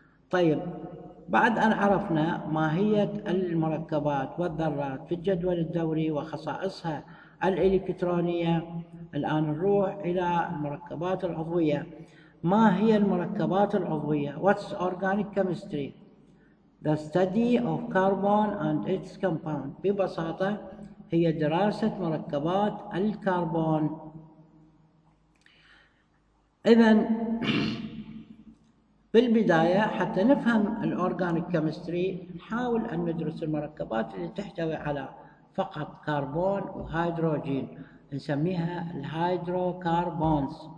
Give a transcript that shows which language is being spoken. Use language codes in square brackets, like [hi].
[ar] طيب، بعد أن عرفنا ماهية المركبات والذرات في الجدول الدوري وخصائصها الإلكترونية، الآن نروح إلى المركبات العضوية. ما هي المركبات العضوية؟ What's organic chemistry? [en] The study of carbon and its compound. [ar] ببساطة هي دراسة مركبات الكربون. إذن بالبداية حتى نفهم الأورغانيك كيمستري نحاول أن ندرس المركبات اللي تحتوي على فقط كربون وهيدروجين، نسميها الهيدروكربونز.